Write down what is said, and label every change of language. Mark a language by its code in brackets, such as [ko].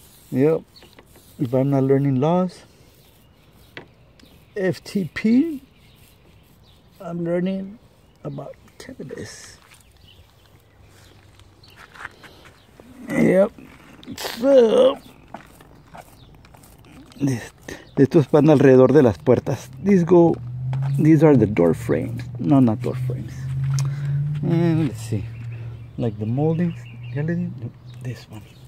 [en] Yep, if I'm not learning laws, FTP, I'm learning about cannabis. Yep, so, [es] estos van alrededor de las puertas. [en] These are the door frames. No, not door frames. And let's see, like the moldings, this one.